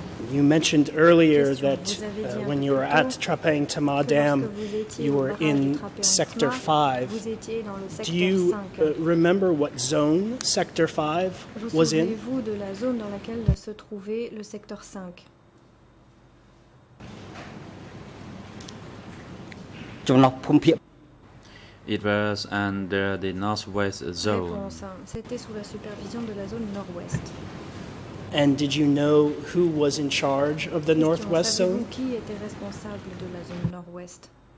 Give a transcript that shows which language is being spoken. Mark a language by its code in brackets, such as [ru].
[en] You mentioned earlier that when you were at Trapeang Tma Dam, you were in Sector 5. Do you remember what zone Sector 5 was in? [fr] De la zone dans laquelle se trouvait le secteur 5? [en] It was under the northwest zone. [fr] C'était sous la supervision de la zone nord-ouest. [en] And did you know who was in charge of the northwest zone? [fr] Qui était responsable de la zone nord-ouest?